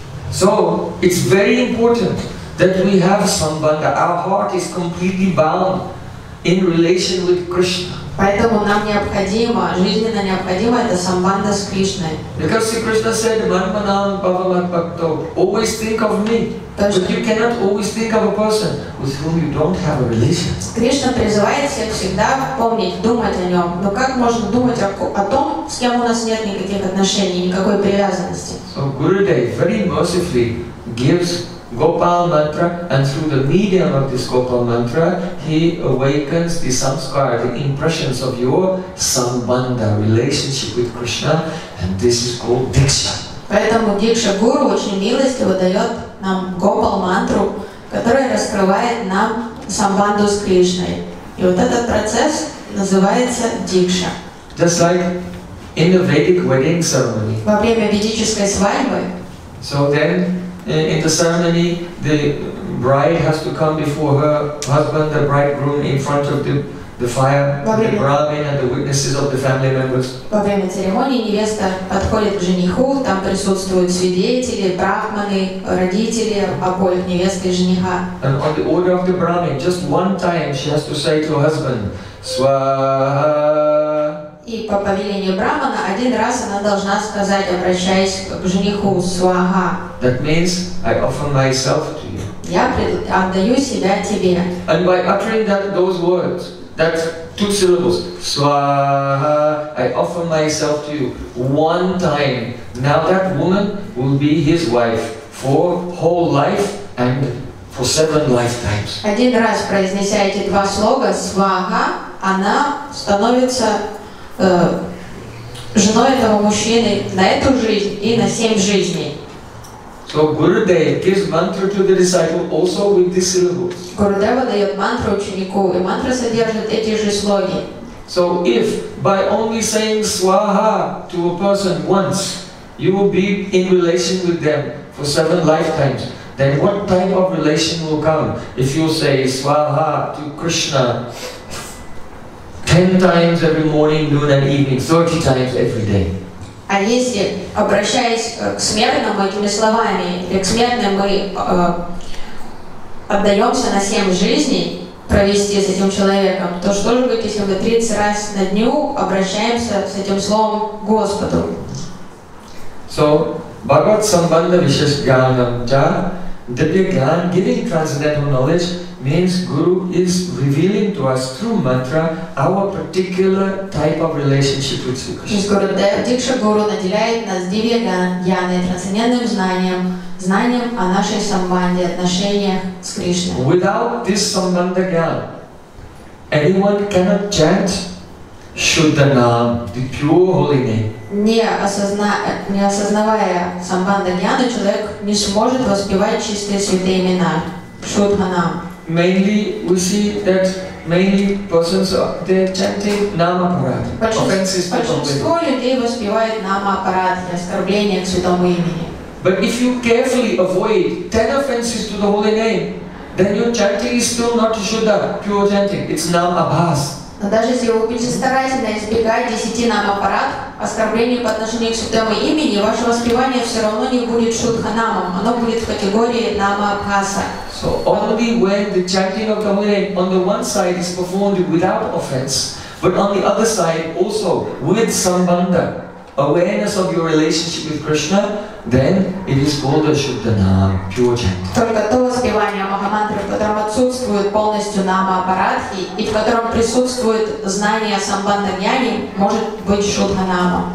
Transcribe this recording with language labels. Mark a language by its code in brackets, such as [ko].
[en] So it's very important that we have sambandha. Our heart is completely bound in relation with Krishna. [ru] Поэтому нам необходимо, жизненно необходимо, это самбанда с Кришной. [en] Because Sri Krishna said, [sa] Manmanam Bhavamat Bhakto, [en] always think of me. But you cannot always think of a person with whom you don't have a relation. [ru] Кришна призывает всех всегда помнить, думать о нем. Но как можно думать о том, с кем у нас нет никаких отношений, никакой привязанности? [en] So Gurudev very mercifully gives Gopal mantra, and through the medium of this Gopal mantra, he awakens the samskara, the impressions of your sambandha, relationship with Krishna, and this is called diksha. [ru] Поэтому дикша гуру очень милостиво дает нам Gopal mantra, которая раскрывает нам самбанду с Кришной. И вот этот процесс называется дикша. [en] Just like in the Vedic wedding ceremony. [ru] Во время ведической свадьбы. [en] So then, in the ceremony, the bride has to come before her husband, the bridegroom, in front of the fire, the brahmin, and the witnesses of the family members. [ru] Во время церемонии невеста подходит к жениху, там присутствуют свидетели, брахманы, родители, обоих невесты и жениха. [en] And on the order of the brahmin, just one time she has to say to her husband, Swaha. [ru] И по повелению брахмана один раз она должна сказать, обращаясь к жениху, Swaha. [en] That means I offer myself to you. [ru] Я отдаю себя тебе. [en] And by uttering that those words, that two syllables, Swaha, I offer myself to you one time. Now that woman will be his wife for whole life and for seven lifetimes. [ru] Один раз произнеся эти два слова, Swaha, она становится женой этого мужчины на эту жизнь и на семь жизней. [en] So Gurudev gives mantra to the disciple also with these syllables. [ru] Gurudeva дает мантру ученику, и мантра содержит эти же слоги. [en] So if by only saying Swaha to a person once, you will be in relation with them for seven lifetimes, then what type of relation will come if you say Swaha to Krishna 10 times every morning, noon and evening, 30 times every day? [ru] А если, обращаясь к смертному этими словами, или к смертным мы отдаемся на 7 жизней провести с этим человеком, то что же будет, если мы 30 раз на дню обращаемся с этим словом к Господу? [en] So, [sa] Bhagavat Sambandha Vishasgyanam Cha, Dipya Gyan, [en] giving transcendental knowledge, means Guru is revealing to us through mantra our particular type of relationship with Sri Krishna. [ru] Диша Гуру наделяет нас дивья гьяной, трансцендентным знанием, знанием о нашей самбанде, отношениях с Кришной. [en] Without this samvanda gyan, anyone cannot chant Shuddha Naam, the pure holy name. [ru] Не осознавая самбанда гьяны, человек не сможет воспевать чистые святые имена Шуддха Наам. [en] Mainly, we see that mainly persons they are chanting Namaparat, offenses to the holy name. But if you carefully avoid 10 offenses to the holy name, then your chanting is still not Shuddha, pure chanting, it's Namabhas. [ru] Но даже если вы будете старательно избегать 10 нам-аппарат оскорблений по отношению к святому имени, ваше воспевание все равно не будет шудханамом, оно будет в категории нама-абхаса. [en] So only when the chanting of the holy name on the one side is performed without offense, but on the other side also with sambandha, awareness of your relationship with Krishna, then it is called a Shuddhanam, pure chanting. [ru] Только то воспевание Махамантры, в котором отсутствует полностью Нама-апарадхи и в котором присутствует знание о самбандханьяне, может быть Шуддханама.